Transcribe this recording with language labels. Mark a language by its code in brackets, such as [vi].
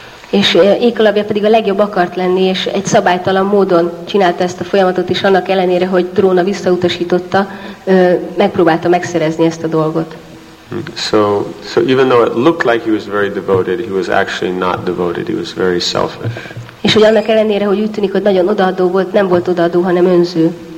[hu] És Ekalavya pedig a legjobb akart lenni, és egy szabálytalan módon csinálta ezt a folyamatot, és annak ellenére, hogy Drona visszautasította, megpróbálta megszerezni ezt a dolgot. [en] So even though it looked like he was very devoted, he was actually not devoted. He was very selfish. [hu] És hogy annak ellenére, hogy úgy tűnik, hogy nagyon odaadó volt, nem volt odaadó, hanem önző.